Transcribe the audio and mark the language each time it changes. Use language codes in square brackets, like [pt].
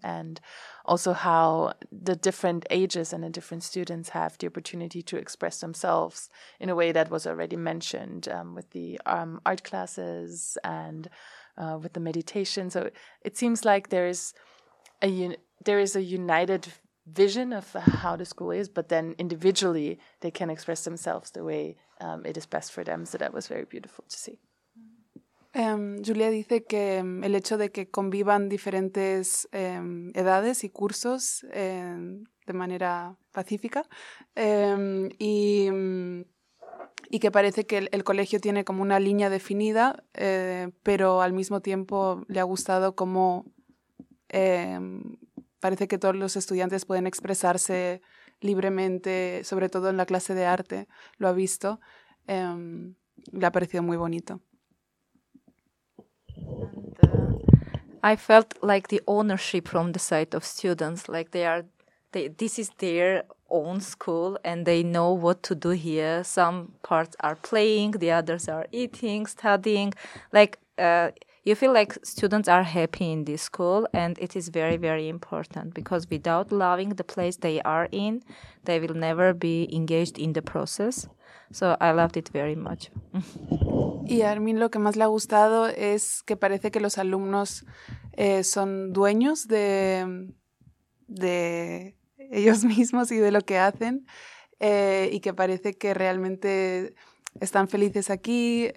[en] And also how the different ages and the different students have the opportunity to express themselves in a way that was already mentioned with the art classes and with the meditation. So it seems like there is a united vision of how the school is, but then individually they can express themselves the way it is best for them. So that was very beautiful to see. [es] Julia dice que el hecho de que convivan diferentes edades y cursos de manera pacífica y que parece que el colegio tiene como una línea definida, pero al mismo tiempo le ha gustado cómo parece que todos los estudiantes pueden expresarse libremente, sobre todo en la clase de arte, lo ha visto. Le ha parecido muy bonito. [en] I felt like the ownership from the side of students, like this is their own school and they know what to do here. Some parts are playing, the others are eating, studying. Like you feel like students are happy in this school, and it is very, very important, because without loving the place they are in, they will never be engaged in the process. So I loved it very much. [es] Y a Armin lo que más le ha gustado es que parece que los alumnos son dueños de ellos mismos y de lo que hacen, y que parece que realmente están felices aquí.